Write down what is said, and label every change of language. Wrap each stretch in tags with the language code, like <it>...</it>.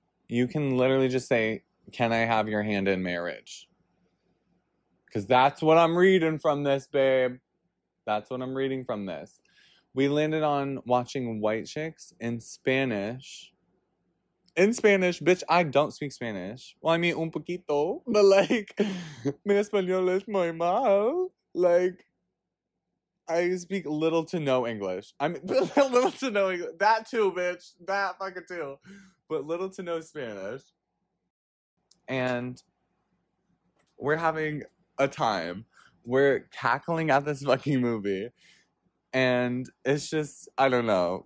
<en>You can literally just say, can I have your hand in marriage? Because that's what I'm reading from this, babe. That's what I'm reading from this. We landed on watching White Chicks in Spanish. In Spanish, bitch, I don't speak Spanish. Well, I mean,</en> <es>un poquito.</es> <en>But, like,</en> <es>mi español es muy mal.</es> <en>Like, I speak little to no English. I mean, little to no English. That too, bitch. That fucking too. But little to no Spanish. And we're having a time. We're cackling at this fucking movie. And it's just, I don't know.</en>